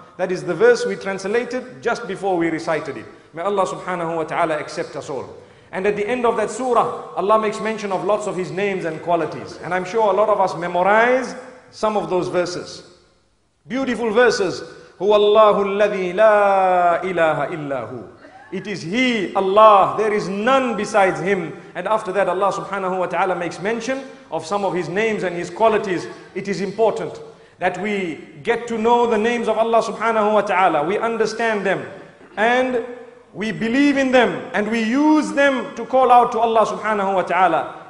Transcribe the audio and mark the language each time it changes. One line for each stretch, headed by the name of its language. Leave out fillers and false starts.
English: That is the verse we translated just before we recited it. May Allah subhanahu wa ta'ala accept us all. And at the end of that surah, Allah makes mention of lots of His names and qualities. And I'm sure a lot of us memorize some of those verses. Beautiful verses.
Arabic: هو الله الذي لا إله إلا هو.
English: It is He, Allah, there is none besides Him. And after that, Allah subhanahu wa ta'ala makes mention of some of His names and His qualities. It is important that we get to know the names of Allah subhanahu wa ta'ala. We understand them. And we believe in them and we use them to call out to Allah subhanahu wa ta'ala.